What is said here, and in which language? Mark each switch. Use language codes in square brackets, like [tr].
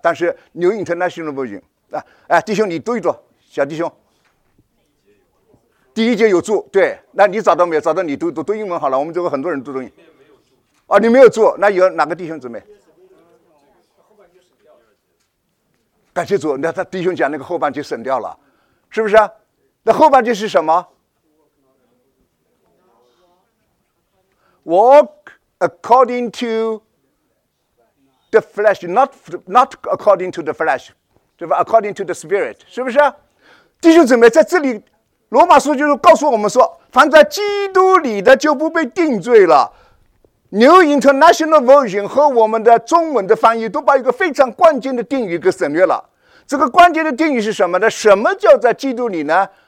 [zh] 但是 New International Version， 哎，弟兄你读一读，小弟兄，第一节有注，对，那你找到没有？找到你读英文好了，我们这个很多人读中文。啊，你没有注，那有哪个弟兄姊妹？感谢主，那他弟兄讲那个后半句省掉了，是不是？那后半句是什么？ [en] Walk according to the flesh, not according to the flesh, [zh] 对吧 [en] ？According to the spirit, [zh] 是不是？弟兄姊妹，在这里，罗马书就是告诉我们说，凡在基督里的就不被定罪了。 New International Version 和我们的中文的翻译都把一个非常关键的定语给省略了。这个关键的定语是什么呢？什么叫在基督里呢？